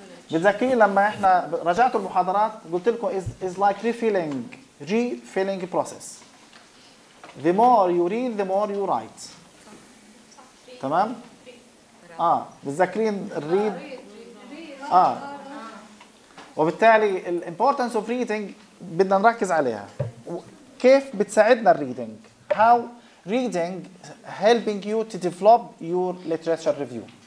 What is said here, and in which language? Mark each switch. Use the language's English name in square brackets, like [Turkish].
[Arabic] بتذكرين لما احنا رجعتوا المحاضرات قلت لكم [English] is like refilling, refilling process. The more you read, the more you write. [Arabic] تمام؟ بتذكرين [English] read. [Arabic] وبالتالي [English] the importance of reading [Arabic] بدنا نركز عليها. كيف بتساعدنا الريدنج؟ [English] How reading helping you to develop your literature review.